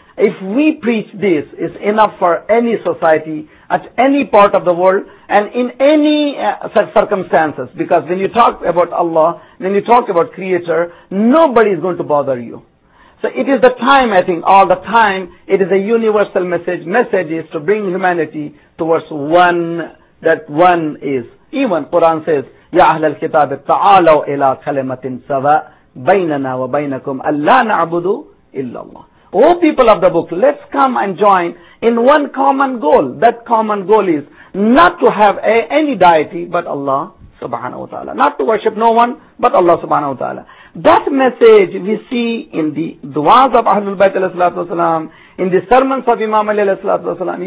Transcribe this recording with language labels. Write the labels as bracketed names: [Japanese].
[English] If we preach this, it's enough for any society at any part of the world and in any circumstances. Because when you talk about Allah, when you talk about Creator, nobody is going to bother you. So it is the time, I think, all the time, it is a universal message. Message is to bring humanity towards one, that one is. Even Quran says, [Arabic] يَا أَهْلَ الْكِتَابِ تَعَالَوْا إِلَىٰ كَلِمَةٍ سَوَىٰ بَيْنَنَا وَبَيْنَكُمْ أَلَّا نَعْبُدُ إِلَّا اللَّهِ. [English] O people of the book, let's come and join in one common goal. That common goal is not to have any deity but Allah subhanahu wa ta'ala. Not to worship no one but Allah subhanahu wa ta'ala. That message we see in the du'as of Ahlul Bayt alayhi salatu wasalam, in the sermons of Imam Ali alayhi salatu wasalam.